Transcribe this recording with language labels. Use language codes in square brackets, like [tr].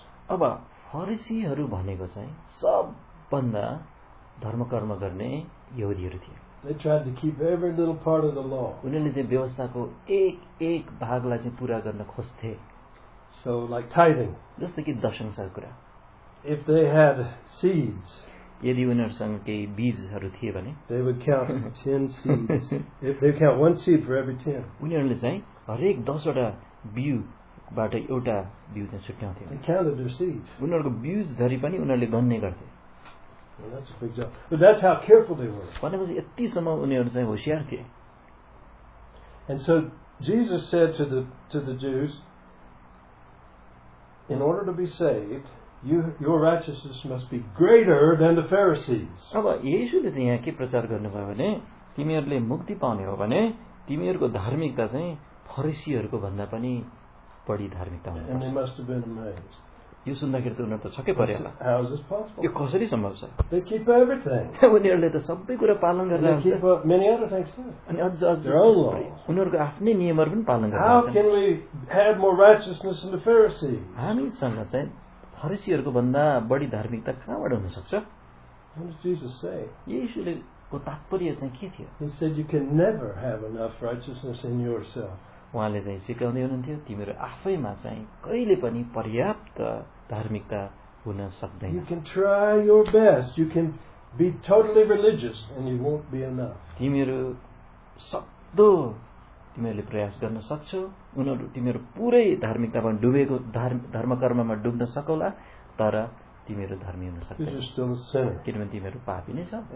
[ne] अब फरिसीहरू भनेको चाहिँ सबभन्दा धर्मकर्म गर्ने यहुदीहरू थिए. [en] They tried to keep every little part of the law. [ne] उनीले त्यो व्यवस्थाको एक-एक भागलाई चाहिँ पूरा गर्न खोज्थे. [en] So like tithing. [ne] जस्तो कि दशमांशको कुरा. [en] If they had seeds. [ne] यदि उनीहरूसँग केही बीजहरू थिए भने. [en] They would count 10 seeds. If they count one seed for every 10. [ne] उनीहरूले चाहिँ हरेक 10 वटा बीउबाट एउटा बीउ चाहिँ छुट्याउँथे. [en] They counted their seeds. [ne] उनीहरूको बीजधरि पनि उनीहरूले गन्ने गर्थे. [en] Well, that's a big job. But that's how careful they were. [ne] भने पनि यति सम्म उनीहरू चाहिँ होशियार थिए. [en] And so Jesus said to the Jews, in order to be saved, your righteousness must be greater than the Pharisees. [ne] अब यीशुले चाहिँ यहाँ के प्रचार गर्नुभयो भने तिमीहरूले मुक्ति पाउने हो भने तिमीहरूको धार्मिकता चाहिँ फरिसीहरूको भन्दा पनि बढी धार्मिकता हुनुपर्छ. [en] And they must have been amazed. [ne] यो सुन्दाखेरि त उनीहरू त छक्कै परे होला. [en] How is this possible? [ne] यो कसरी सम्भव छ? [en] They keep everything. [ne] उनीहरूले त सबै कुरा पालन गर्दै हुन्छ. [en] They keep many other things too. [ne] अनि अझ अझ [en] their own law. [ne] उनीहरूको आफ्नै नियमहरू पनि पालन गर्दै हुन्छ. [en] How can we have more righteousness than the Pharisees? [ne] हामीसँग चाहिँ फरिसीहरूको भन्दा बढी धार्मिकता कहाँबाट हुन सक्छ? [en] What did Jesus say? [ne] यीशुले को तात्पर्य चाहिँ के थियो? [en] He said you can never have enough righteousness in yourself. [ne] उहाँले चाहिँ सिकाउँदै हुनुहुन्थ्यो तिमीहरू आफैमा चाहिँ कहिले पनि पर्याप्त धार्मिकता हुन सक्दैन. [en] You can try your best, you can be totally religious and you won't be enough. [ne] तिमीहरू सक्दो तिमीहरूले प्रयास गर्न सक्छौ उनीहरू तिमीहरू पुरै धार्मिकतामा डुबेको धर्मकर्ममा डुब्न सकौला तर तिमीहरू धर्मी हुन सक्दैन किनभने तिमीहरू पापी नै छ